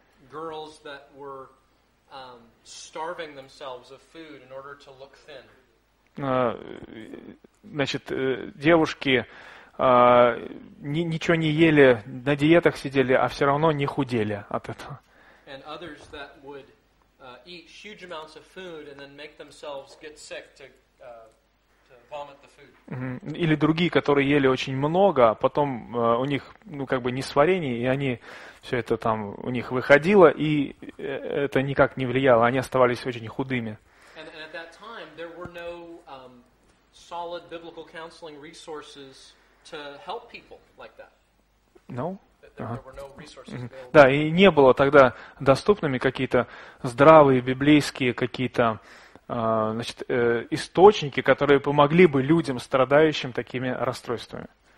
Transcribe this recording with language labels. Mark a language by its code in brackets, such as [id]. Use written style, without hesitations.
[ru] Девушки ничего не ели, на диетах сидели, а все равно не худели от этого. [en] And others that would eat huge amounts of food and then make themselves get sick to vomit the food. [ru] Или другие, которые ели очень много, а потом у них несварение, и они все это там у них выходило, и это никак не влияло, они оставались очень худыми. [en] And at that time there were no solid biblical counseling resources to help people like that. No? Uh-huh. [ru] Да, и не было тогда доступными какие-то здравые библейские какие-то источники, которые помогли бы людям, страдающим такими расстройствами.